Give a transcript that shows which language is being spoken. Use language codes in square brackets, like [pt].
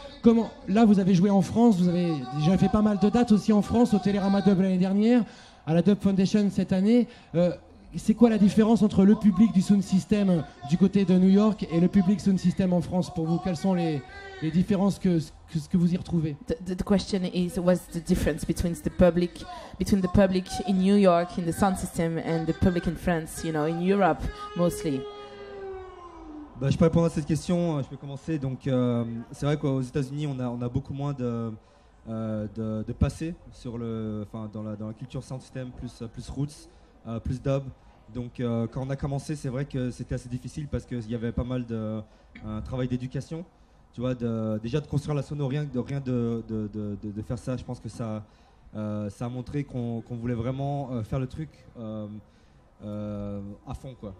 [fr] Comment, là, vous avez joué en France, vous avez déjà fait pas mal de dates aussi en France, au Télérama Dub l'année dernière, à la Dub Foundation cette année. C'est quoi la différence entre le public du sound system du côté de New York et le public sound system en France pour vous? Quelles sont les différences que vous y retrouvez? [en] The question is, what's the difference between the public in New York in the sound system and the public in France, you know, in Europe mostly? [fr] Bah, je peux répondre à cette question. Je peux commencer. Donc, c'est vrai qu'aux États-Unis, on a beaucoup moins de passé sur le, enfin, dans la culture sound system plus roots. Plus dub. Donc quand on a commencé, c'est vrai que c'était assez difficile parce qu'il y avait pas mal de travail d'éducation, tu vois, de construire la sono, rien de faire ça. Je pense que ça a montré qu'on voulait vraiment faire le truc à fond, quoi.